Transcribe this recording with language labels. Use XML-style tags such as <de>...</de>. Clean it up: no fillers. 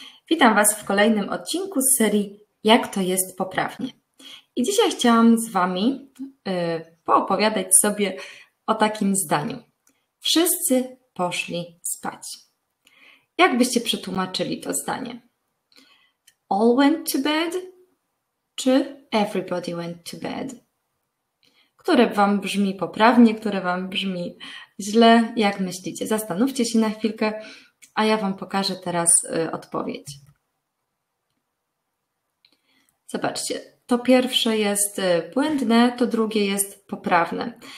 <pl>Witam Was w kolejnym odcinku z serii Jak to jest poprawnie? I dzisiaj chciałam z Wami poopowiadać sobie o takim zdaniu. Wszyscy poszli spać. Jak byście przetłumaczyli to zdanie?</pl> <en>All went to bed</en> <pl>czy</pl> <en>everybody went to bed?</en> <pl>Które Wam brzmi poprawnie, które Wam brzmi źle, jak myślicie? Zastanówcie się na chwilkę, a ja Wam pokażę teraz odpowiedź. Zobaczcie, to pierwsze jest błędne, to drugie jest poprawne.</pl>